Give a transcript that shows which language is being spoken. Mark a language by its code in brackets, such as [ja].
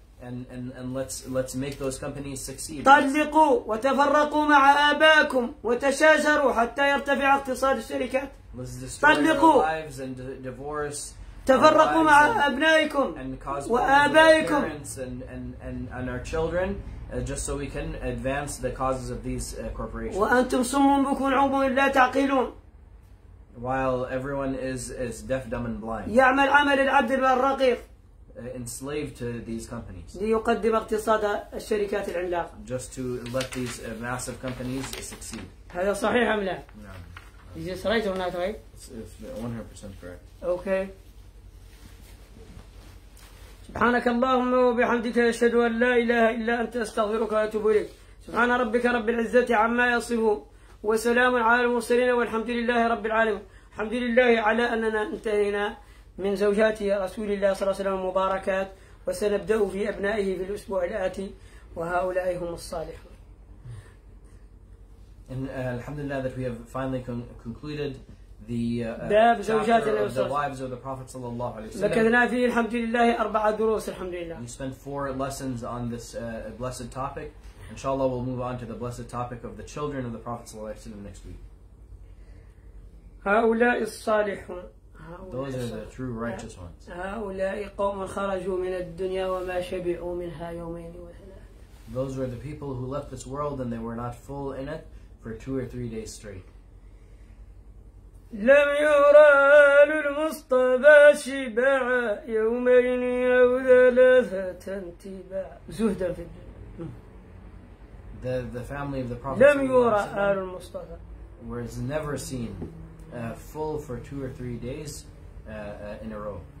[en] And let's make those companies succeed. [ar] طلقوا وتفرقوا مع آباءكم وتشاجروا حتى يرتفع اقتصاد الشركات. طلقوا. [en] Lives and divorce. [ar] تفرقوا مع أبنائكم وآبائكم [en] and our children just so we can advance the causes of these corporations. [ar] وأنتم صم بكم عم لا تعقلون. [en] While everyone is deaf, dumb, and blind. [ar] يعمل عمل العبد الرقيق. [en] Enslaved to these companies. [ar] ليقدم اقتصاد الشركات العملاقة. [en] Just to let these massive companies succeed. [ar] هذا صحيح أم لا؟ نعم. [en] Is this right or not right? It's 100% correct. Okay. [ar] سبحانك اللهم وبحمدك أشهد أن لا إله إلا أنت أستغفرك وأتوب إليك سبحان ربك رب العزة عما يصفون وسلام على المرسلين والحمد لله رب العالمين الحمد لله على أننا انتهينا من زوجات رسول الله صلى الله عليه وسلم مباركات وسنبدأ في أبنائه في الأسبوع الآتي وهؤلاء هم الصالحون [en] and, [ar] الحمد لله [en] that we have finally concluded the wives of the Prophet sallallahu alaihi wasallam. [ar] لكننا في الحمد لله أربعة دروس الحمد لله. [en] We spent four lessons on this blessed topic. Inshallah, we'll move on to the blessed topic of the children of the Prophet sallallahu alaihi wasallam next week. [ar] هؤلاء الصالحون. [en] Those are the true righteous ones. [ar] هؤلاء قوم خرجوا من الدنيا وما شبعوا منها يومين وثلاثة. [en] Those were the people who left this world and they were not full in it for two or three days straight. [ar] لم يرى آل المصطفى شبعا يومين أو ثلاثة انتباع زهدا في الدنيا. [en] The family of the Prophet [ar] لم يرى آل المصطفى [en] was never seen full for two or three days in a row.